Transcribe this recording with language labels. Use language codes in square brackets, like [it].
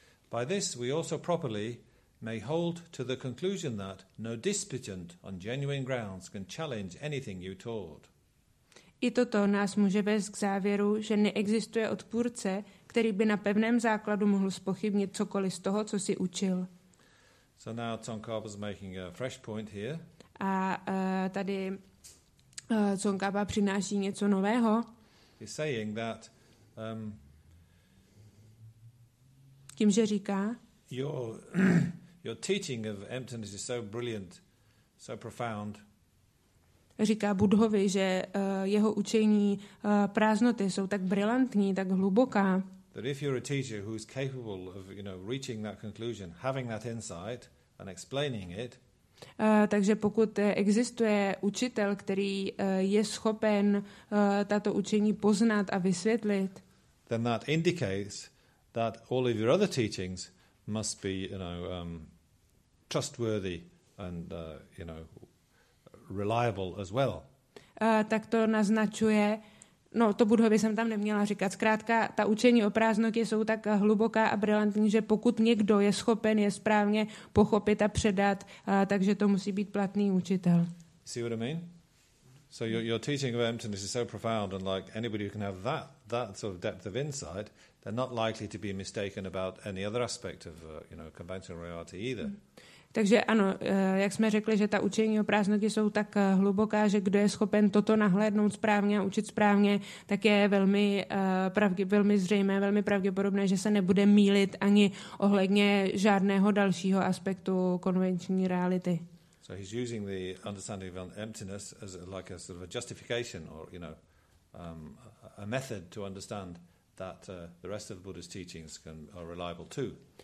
[en] By this we also properly may hold to the conclusion that no disputant on genuine grounds can challenge anything you taught. [cs] I toto nás může vést k závěru, že neexistuje odpůrce, který by na pevném základu mohl zpochybnit cokoliv z toho, co si učil. [en] So now Tsongkhapa is making a fresh point here. [cs] A tady Tsongkhapa přináší něco nového. [en] He's saying that, [cs] tím, že říká, [en] your teaching of emptiness is so brilliant, so profound. [cs] Říká Budhovi, že jeho učení prázdnoty jsou tak brilantní, tak hluboká. [en] that if you're a teacher who's capable of, you know, reaching that conclusion, having that insight and explaining it, [cs] takže pokud existuje učitel, který je schopen tato učení poznat a vysvětlit, [en] then that indicates that all of your other teachings must be, you know, trustworthy and, you know, reliable as well. [cs] Tak to naznačuje, no to Buddhovi jsem tam neměla říkat, zkrátka ta učení o prázdnotě jsou tak hluboká a brilantní, že pokud někdo je schopen je správně pochopit a předat, takže to musí být platný učitel. [en] See what I mean? So your teaching of emptiness is so profound, and like anybody who can have that sort of depth of insight, they're not likely to be mistaken about any other aspect of, you know, conventional reality either. [cs] Takže ano, jak jsme řekli, že ta učení o prázdnotě jsou tak hluboká, že kdo je schopen toto nahlédnout správně a učit správně, tak je velmi velmi zřejmé, velmi pravděpodobné, že se nebude mýlit ani ohledně žádného dalšího aspektu konvenční reality. [en] So he's using the understanding of emptiness as like a sort of a justification or, you know, a method to understand that the rest of the Buddha's teachings are reliable too.